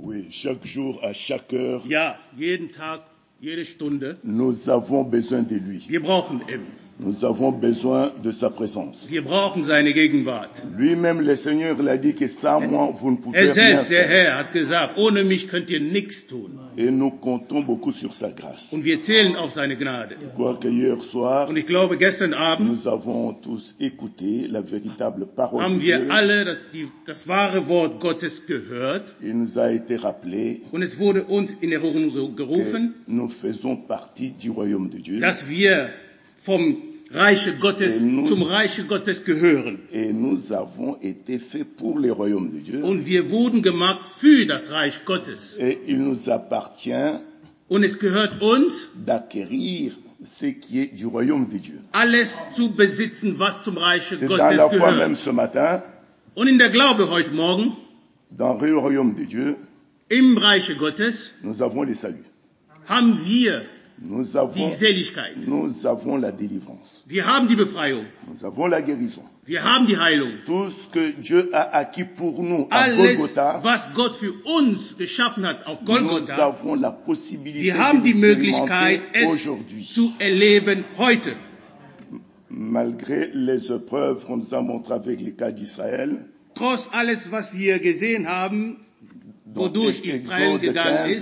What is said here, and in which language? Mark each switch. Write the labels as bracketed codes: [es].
[fr] Chaque jour, à chaque heure, [de] ja, jeden Tag, jede Stunde, [fr] nous avons besoin de lui. [de] Wir brauchen ihn. [fr] Nous avons besoin de sa présence. [de] Wir brauchen seine Gegenwart. [fr] Lui-même, le Seigneur, l'a dit que sans moi, vous ne pouvez [de] selbst, [fr] rien faire. [de] Der Herr, hat gesagt, ohne mich könnt ihr nichts tun. [fr] Et nous comptons beaucoup sur sa grâce. [de] Und wir zählen auf seine Gnade. [fr] Quoi que hier soir, [de] und ich glaube, gestern Abend, [fr] nous avons tous écouté la véritable parole [de] haben wir alle das wahre Wort Gottes gehört. [fr] Il nous a été rappelé, [de] und es wurde uns in Erinnerung gerufen, [fr] que nous faisons partie du royaume de Dieu. [de] Dass wir vom Reich Gottes, [fr] nous, [de] zum Reich Gottes gehören. [fr] Et nous avons été faits pour le royaume de Dieu. [de] Und wir wurden gemacht für das Reich Gottes. [fr] Et il nous appartient, [de] und es gehört uns, [fr] d'acquérir ce qui est du royaume de Dieu. [de] Alles zu besitzen, was zum Reich [fr] C'est [de] Gottes [fr] dans la [de] gehört. [fr] Foi même ce matin, [de] und in der Glaube heute Morgen, [fr] dans le royaume de Dieu, [de] im Reich Gottes, [fr] nous avons le salut. [de] Haben wir Die Seligkeit. [fr] Nous avons la délivrance. [de] Wir haben die Befreiung. [fr] Nous avons la guérison. [de] Wir haben die Heilung. [fr] Tout ce que Dieu a acquis pour nous [de] Alles, [fr] à Golgotha, [de] was Gott für uns geschaffen hat auf Golgotha, [fr] nous avons la possibilité [de] wir haben [fr] de [de] die Möglichkeit, es [fr] aujourd'hui. [de] Zu erleben heute. [fr] Malgré les épreuves qu'on nous a montrées avec les cas d'Israël, [de] trotz alles, was wir gesehen haben, wodurch Israel gegangen ist.